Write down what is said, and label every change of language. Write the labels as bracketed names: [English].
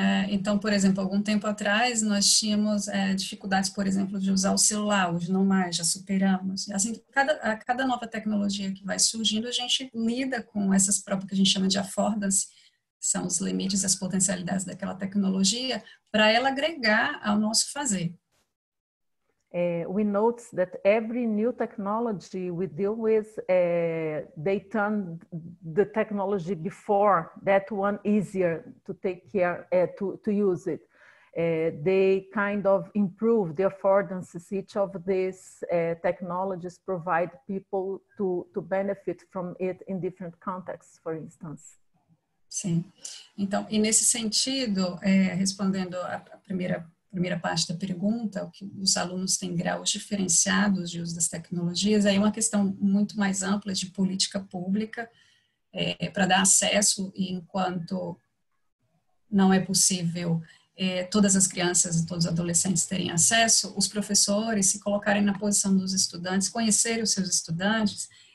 [Portuguese] Então, por exemplo, algum tempo atrás nós tínhamos dificuldades, por exemplo, de usar o celular, hoje não mais, já superamos. Assim, a cada nova tecnologia que vai surgindo, a gente lida com essas próprias que a gente chama de affordance, são os limites, as potencialidades daquela tecnologia, para ela agregar ao nosso fazer. [English] We notice that every new technology we deal with, they turn the technology before that one easier to take care, to use it. They kind of improve the affordances each of these technologies provide people to benefit from it in different contexts, for instance. [Portuguese] Sim. Então, e nesse sentido, respondendo a primeira primeira parte da pergunta, o que os alunos têm graus diferenciados de uso das tecnologias, aí é uma questão muito mais ampla de política pública, para dar acesso, enquanto não é possível todas as crianças e todos os adolescentes terem acesso, os professores se colocarem na posição dos estudantes, conhecerem os seus estudantes,